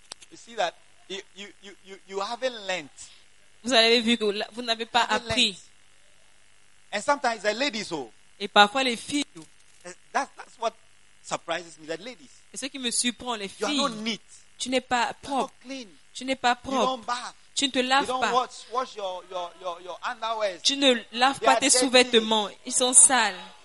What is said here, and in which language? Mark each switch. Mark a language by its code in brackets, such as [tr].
[en] You see that you haven't learned. [fr] Vous avez vu que vous n'avez pas appris. [en] Learned. And sometimes the ladies, [fr] et parfois les filles. [en] That's what surprises me. The ladies. [fr] Et ce qui me surprend, les filles. [en] You are not neat. [fr] Tu n'es pas propre. [en] You're not clean. [fr] Tu n'es pas propre. [en] You don't bath. [fr] Tu ne te laves pas. [en] You don't wash your underwear. [fr] Tu ne laves [en] they [fr] pas tes sous-vêtements. Ils sont sales.